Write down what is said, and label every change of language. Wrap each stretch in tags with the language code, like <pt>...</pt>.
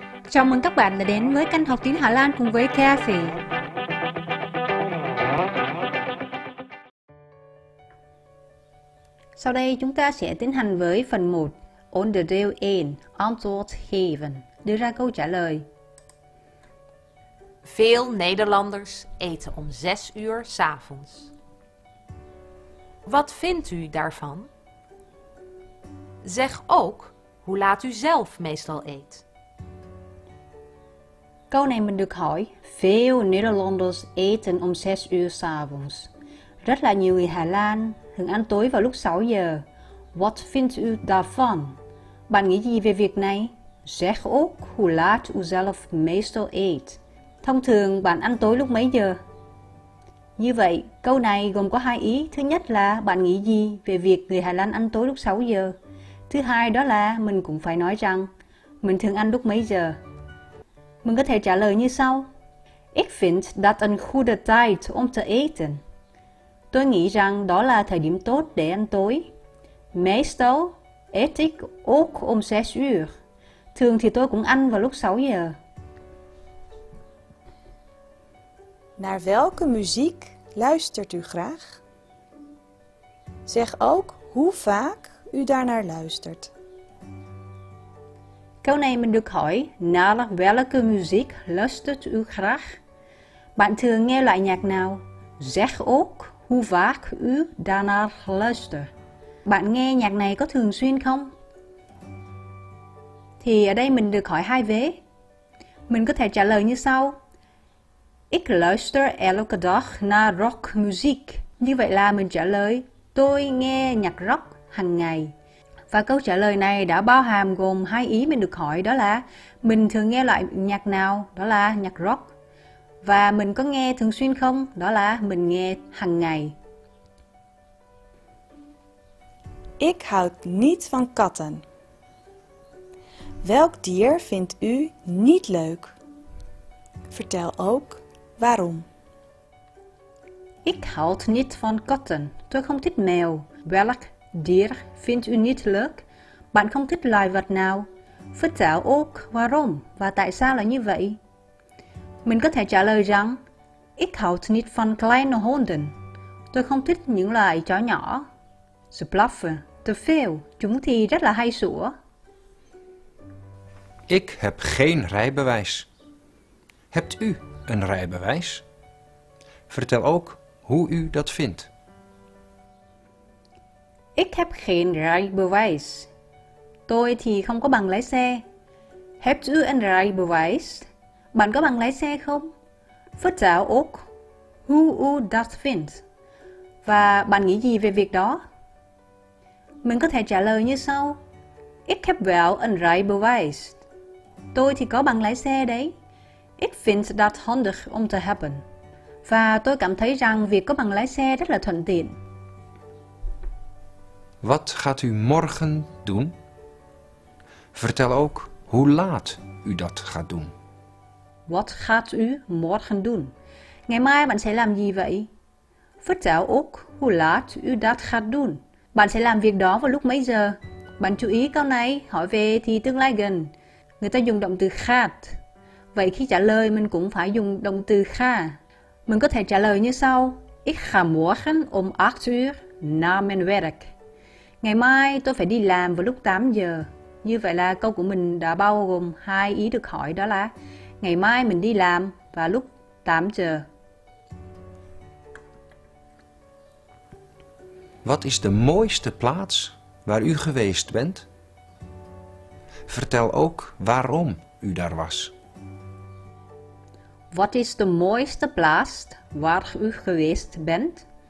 <vi>Chào mừng các bạn đã đến với kênh học tiếng Hà Lan cùng với Kathy. Sau đây chúng ta sẽ tiến hành với phần 1 On the Deal In, On Thought Haven, đưa ra câu trả lời.</vi> <nl>Veel Nederlanders eten om 6 uur 's avonds. Wat vindt u daarvan? Zeg ook hoe laat u zelf meestal eet.</nl> <vi>Câu này mình được hỏi, Veel Nederlanders eten om 6 uur 's avonds. Rất là nhiều người Hà Lan thường ăn tối vào lúc 6 giờ.</vi> <nl>What vindt u daarvan?</nl> <vi>Bạn nghĩ gì về việc này?</vi> <nl>Zeg ook hoe laat u zelf meestal eet.</nl> <vi>Thông thường bạn ăn tối lúc mấy giờ? Như vậy, câu này gồm có hai ý. Thứ nhất là bạn nghĩ gì về việc người Hà Lan ăn tối lúc 6 giờ? Thứ hai đó là mình cũng phải nói rằng mình thường ăn lúc mấy giờ? Mình có thể trả lời như sau.</vi> <nl>Ik vind dat een goede tijd om te eten.</nl> <vi>Tôi nghĩ rằng đó là thời điểm tốt để ăn tối.</vi> <nl>Meestal eet ik ook om 6 uur.</nl> <vi>Thường thì tôi cũng ăn vào lúc 6 giờ.</vi> <nl>Naar welke muziek luistert u graag? Zeg ook hoe vaak u daarnaar luistert.</nl> <vi>Câu này mình được hỏi,</vi> <nl>naar welke muziek luistert u graag?</nl> <vi>Bạn thường nghe loại nhạc nào?</vi> <nl>Zeg ook hoe vaak u daarnaar luistert.</nl> <vi>Bạn nghe nhạc này có thường xuyên không? Thì ở đây mình được hỏi hai vế. Mình có thể trả lời như sau.</vi> <nl>Ik luister elke dag naar rockmuziek.</nl> <vi>Như vậy là mình trả lời, tôi nghe nhạc rock hàng ngày. Và câu trả lời này đã bao hàm gồm hai ý mình được hỏi, đó là mình thường nghe loại nhạc nào, đó là nhạc rock. Và mình có nghe thường xuyên không, đó là mình nghe hàng ngày.</vi> <nl>Ik houd niet van katten. Welk dier vindt u niet leuk? Vertel ook waarom. Ik houd niet van katten.</nl> <vi>Tôi không thích mèo.</vi> <nl>Welk dier vindt u niet leuk?</nl> <vi>Bạn không thích loài vật nào?</vi> <nl>Vertel ook waarom.</nl> <vi>Và tại sao là như vậy? Mình có thể trả lời rằng</vi> <nl>Ik houd niet van kleine honden.</nl> <vi>Tôi không thích những loài chó nhỏ.</vi> <nl>Ze blaffen te veel.</nl> <vi>Chúng thì rất là hay sủa.</vi> <nl>Ik heb geen rijbewijs. Hebt u een rijbewijs? Vertel ook hoe u dat vindt. Ik heb geen rijbewijs.</nl> <vi>Tôi thì không có bằng lái xe.</vi> <nl>Hebt u een rijbewijs?</nl> <vi>Bạn có bằng lái xe không?</vi> <nl>Vertel ook hoe u dat vindt.</nl> <vi>Và bạn nghĩ gì về việc đó? Mình có thể trả lời như sau.</vi> <nl>Ik heb wel een rijbewijs.</nl> <vi>Tôi thì có bằng lái xe đấy.</vi> <nl>Ik vind dat handig om te hebben.</nl> <vi>Và tôi cảm thấy rằng việc có bằng lái xe rất là thuận tiện.</vi> <nl>Wat gaat u morgen doen? Vertel ook hoe laat u dat gaat doen. Wat gaat u morgen doen?</nl> <vi>Ngày mai bạn sẽ làm gì vậy?</vi> <nl>Vertel ook hoe laat u dat gaat doen.</nl> <vi>Bạn sẽ làm việc đó vào lúc mấy giờ? Bạn chú ý câu này, hỏi về thì tương lai gần. Người ta dùng động từ gaat. Vậy khi trả lời mình cũng phải dùng động từ ga. Mình có thể trả lời như sau.</vi> <nl>Ik ga morgen om 8 uur naar mijn werk.</nl> <vi>Ngày mai tôi phải đi làm vào lúc 8 giờ. Như vậy là câu của mình đã bao gồm hai ý được hỏi, đó là ngày mai mình đi làm và lúc 8 giờ.</vi> <nl>Wat is de mooiste plaats waar u geweest bent? Vertel ook waarom u daar was. Wat is de mooiste plaats waar u geweest bent?</nl>